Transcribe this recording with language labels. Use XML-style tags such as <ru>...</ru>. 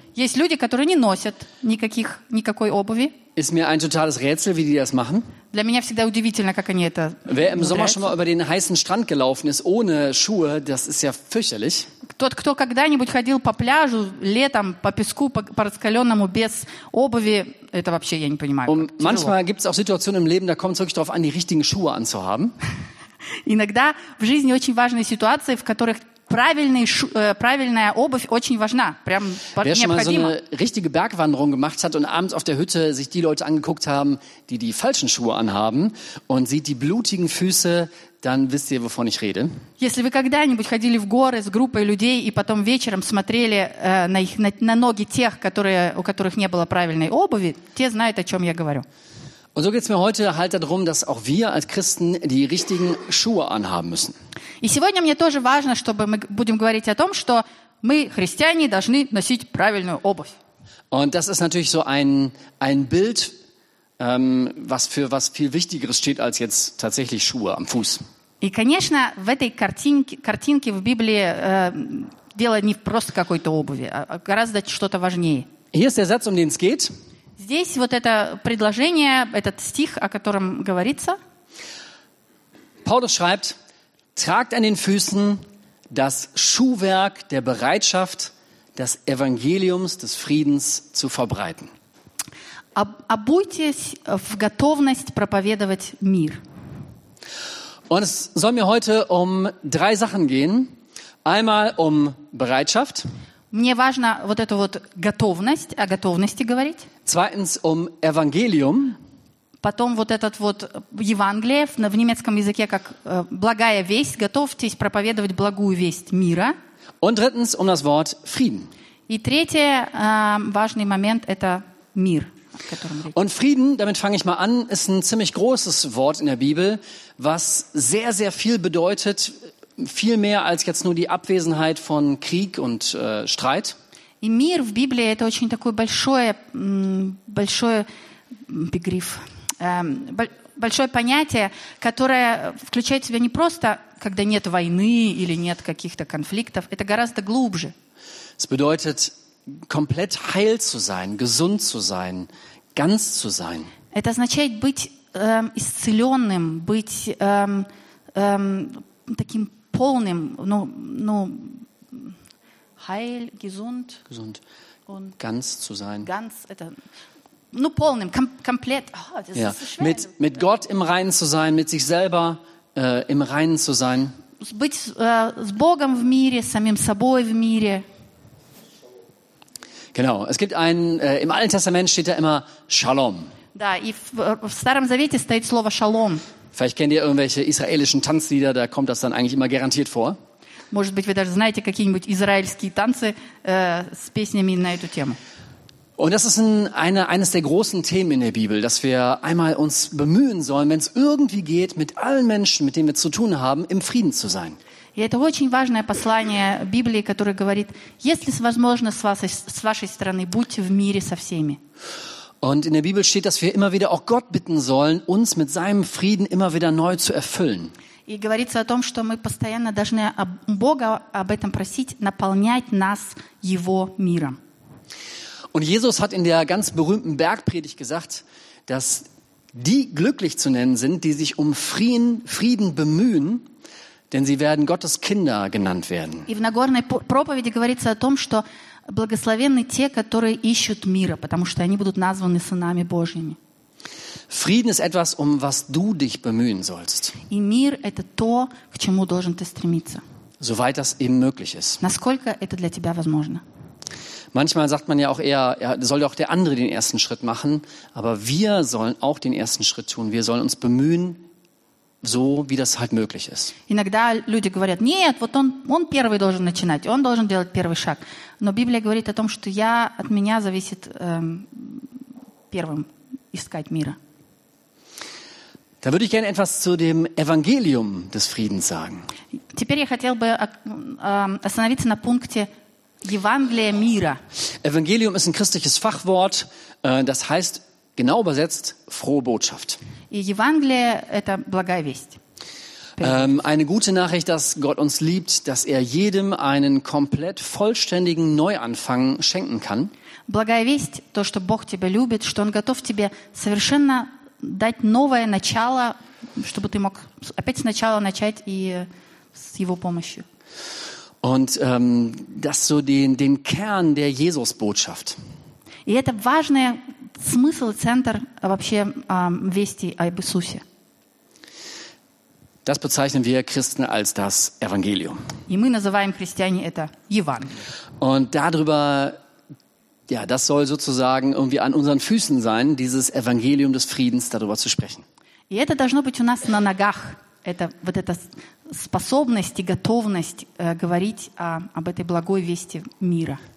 <ru>Есть люди, которые не носят никакой обуви.</ru> <de>Ist mir ein totales Rätsel, wie die das machen.</de> <ru>Для меня всегда удивительно, как они это.</ru> <de>Wer im Sommer schon mal über den heißen Strand gelaufen ist ohne Schuhe, das ist ja fürchterlich.</de> <ru>Тот, кто когда-нибудь ходил по пляжу летом по песку по раскаленному без обуви, это вообще я не понимаю.</ru> <de>Und manchmal gibt's auch Situationen im Leben, da kommt es wirklich darauf an, die richtigen Schuhe anzuhaben.</de> <ru>Иногда в жизни очень важные ситуации, в которых правильная обувь очень важна, прям необходима.</ru> <de>Wer schon mal so eine richtige Bergwanderung gemacht hat und abends auf der Hütte sich die Leute angeguckt haben, die die falschen Schuhe anhaben und sieht die blutigen Füße, dann wisst ihr, wovon ich rede.</de> <ru>Если вы когда-нибудь ходили в горы с группой людей и потом вечером смотрели на ноги тех, у которых не было правильной обуви, те знают, о чем я говорю.</ru> <de>Und so geht's mir heute halt darum, dass auch wir als Christen die richtigen Schuhe anhaben müssen.</de> <ru>И сегодня мне тоже важно, чтобы мы будем говорить о том, что мы, христиане, должны носить правильную обувь.</ru> <de>Und das ist natürlich so ein Bild, was für was viel Wichtigeres steht als jetzt tatsächlich Schuhe am Fuß.</de> <ru>И, конечно, в этой картинке в Библии дело не просто какой-то обуви, а гораздо что-то важнее.</ru> <de>Hier ist der Satz, um den es geht.</de> <ru>Здесь вот это предложение, этот стих, о котором говорится.</ru> <de>Paulus schreibt: Tragt an den Füßen das Schuhwerk der Bereitschaft, des Evangeliums des Friedens zu verbreiten.</de> <ru>Обуйтесь в готовность проповедовать мир.</ru> <de>Und es soll mir heute um drei Sachen gehen. Einmal um Bereitschaft.</de> <ru>Мне важно вот эту вот готовность, о готовности говорить.</ru> <de>Zweitens um Evangelium.</de> <ru>Потом вот этот вот Евангелие в немецком языке как благая весть, готовьтесь проповедовать благую весть мира.</ru> <de>Und drittens das Wort Frieden.</de> <ru>И третий важный момент – это мир.</ru> <de>Und Frieden, damit fange ich mal an, ist ein ziemlich großes Wort in der Bibel, was sehr, sehr viel bedeutet, viel mehr als jetzt nur die Abwesenheit von Krieg und Streit.</de> <ru>И мир в Библии – это очень такой большой Begriff, большое понятие, которое включает в себя не просто, когда нет войны или нет каких-то конфликтов, это гораздо глубже.</ru> <de>Es bedeutet, komplett heil zu sein, gesund zu sein, ganz zu sein.</de> <ru>Это означает быть исцеленным, быть таким полным,</ru> <de>heil, gesund. Gesund. Und ganz zu sein. Ganz,</de> <ru>это, полным,</ru> <de>komplett. Oh, das ist so schwer. Mit Gott im Reinen zu sein, mit sich selber im Reinen zu sein.</de> <ru>Быть с Богом в мире, самим собой в мире.</ru> <de>Genau, es gibt ein im Alten Testament steht da immer Shalom.</de> <ru>Да, и в Старом Завете стоит слово Шалом.</ru> <de>Vielleicht kennt ihr irgendwelche israelischen Tanzlieder, da kommt das dann eigentlich immer garantiert vor.</de> <ru>Может быть, вы даже знаете какие-нибудь израильские танцы с песнями на эту тему.</ru> <de>Und das ist eines der großen Themen in der Bibel, dass wir einmal uns bemühen sollen, wenn es irgendwie geht, mit allen Menschen, mit denen wir zu tun haben, im Frieden zu sein.</de> <ru>И это очень важное послание Библии, которое говорит, если возможно с вашей стороны, будьте в мире со всеми.</ru> <de>Und in der Bibel steht, dass wir immer wieder auch Gott bitten sollen, uns mit seinem Frieden immer wieder neu zu erfüllen.</de> <ru>И говорится о том, что мы постоянно должны Бога об этом просить, наполнять нас Его миром.</ru> <de>Und Jesus hat in der ganz berühmten Bergpredigt gesagt, dass die glücklich zu nennen sind, die sich um Frieden bemühen, denn sie werden Gottes Kinder genannt werden.</de> <ru>И в Нагорной проповеди говорится о том, что благословенны те, которые ищут мира, потому что они будут названы сынами Божьими.</ru> <de>Frieden ist etwas, um was du dich bemühen sollst.</de> <ru>И мир – это то, к чему должен ты стремиться.</ru> <de>Soweit das eben möglich ist.</de> <ru>Насколько это для тебя возможно.</ru> <de>Manchmal sagt man ja auch eher, soll ja auch der andere den ersten Schritt machen, aber wir sollen auch den ersten Schritt tun. Wir sollen uns bemühen, so wie das halt möglich ist.</de> <ru>Иногда люди говорят, нет, вот он первый должен начинать, он должен делать первый шаг. Но Библия говорит о том, что я от меня зависит первым искать мира.</ru> <de>Da würde ich gerne etwas zu dem Evangelium des Friedens sagen.</de> <ru>Теперь я хотел бы остановиться на пункте Евангелия мира.</ru> <de>Evangelium ist ein christliches Fachwort, das heißt genau übersetzt frohe Botschaft.</de> <ru>И Евангелие – это благая весть.</ru> <de>Eine gute Nachricht, dass Gott uns liebt, dass er jedem einen komplett vollständigen Neuanfang schenken kann.</de> <ru>Благая весть – то, что Бог тебя любит, что Он готов тебе совершенно дать новое начало, чтобы ты мог опять сначала начать и с Его помощью.</ru> <de>Und das so den Kern der Jesus-Botschaft.</de> <ru>И это важное смысл, центр вообще вести об Иисусе.</ru> <de>Das bezeichnen wir Christen als das Evangelium.</de> <ru>И мы называем христиане это Евангелие.</ru> <de>Und darüber, ja, das soll sozusagen irgendwie an unseren Füßen sein, dieses Evangelium des Friedens, darüber zu sprechen.</de> <ru>И это должно быть у нас на ногах, это вот эта способность и готовность говорить об этой благой вести мира.</ru>